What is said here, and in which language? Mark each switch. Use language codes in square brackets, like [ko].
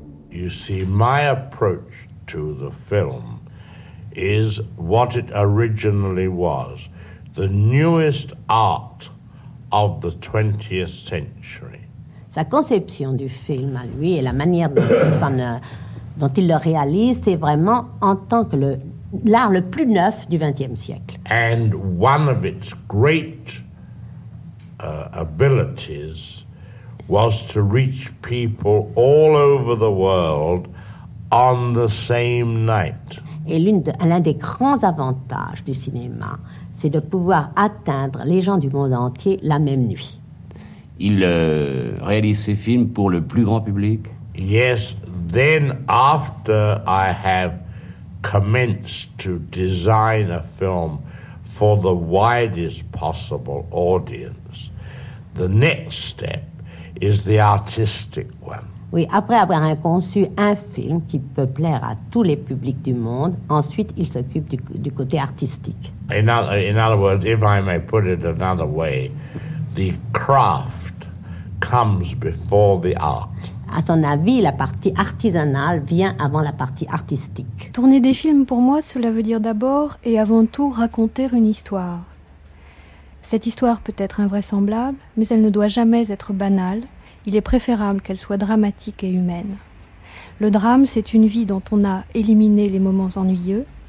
[en] You see, my approach to the film is what it originally was. The newest art of the 20th century. [fr] Sa conception du film à lui et la manière dont il le réalise, c'est vraiment en tant que l'art le plus neuf du 20e siècle. [en] And one of its great abilities was to reach people all over the world on the same night. [fr] Et l'un des grands avantages du cinéma, c'est de pouvoir atteindre les gens du monde entier la même nuit. Il réalise ses films pour le plus grand public. [en] Yes, then after I have commenced to design a film for the widest possible audience, the next step is the artistic one. [fr] Oui, après avoir conçu un film qui peut plaire à tous les publics du monde, ensuite il s'occupe du côté artistique. [en] In other words, if I may put it another way, the craft comes before the art. [fr] À son avis, la partie artisanale vient avant la partie artistique. Tourner des films, pour moi, cela veut dire d'abord et avant tout raconter une histoire. Cette histoire peut être invraisemblable, mais elle ne doit jamais être banale. Il est préférable qu'elle soit dramatique et humaine. Le drame, c'est une vie dont on a éliminé les moments ennuyeux.